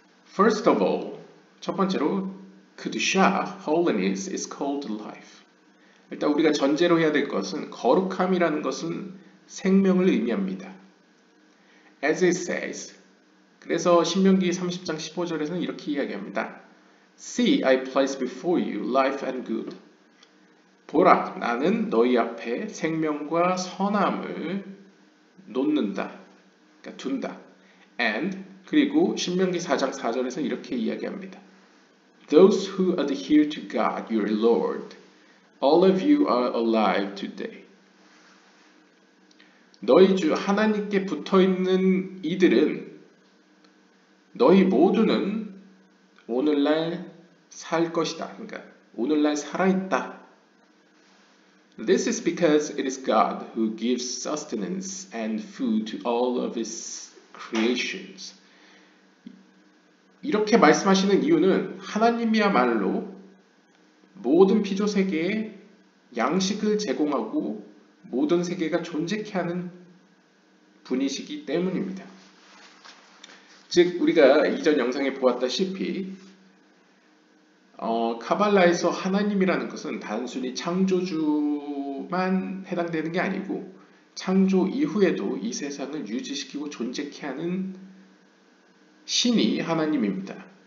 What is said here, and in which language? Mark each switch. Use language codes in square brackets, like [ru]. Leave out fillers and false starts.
[en] First of all, [ko] 첫 번째로 [en] Kedusha, holiness, is called life. [ko] 일단 우리가 전제로 해야 될 것은 거룩함이라는 것은 생명을 의미합니다. [en] As it says. [ko] 그래서 신명기 30장 15절에서는 이렇게 이야기합니다. [en] See, I place before you life and good. [ko] 보라, 나는 너희 앞에 생명과 선함을 놓는다. 그러니까 둔다. [en] And [ko] 그리고 신명기 4장 4절에서는 이렇게 이야기합니다. [en] Those who adhere to God, your Lord, all of you are alive today. [ko] 너희 주 하나님께 붙어 있는 이들은 너희 모두는 오늘날 살 것이다. 그러니까 오늘날 살아있다. [en] This is because it is God who gives sustenance and food to all of his creations. [ko] 이렇게 말씀하시는 이유는 하나님이야말로 모든 피조 세계에 양식을 제공하고 모든 세계가 존재케 하는 분이시기 때문입니다. 즉 우리가 이전 영상에 보았다시피 카발라에서 하나님이라는 것은 단순히 창조주만 해당되는 게 아니고 창조 이후에도 이 세상을 유지시키고 존재케 하는 신이 하나님입니다.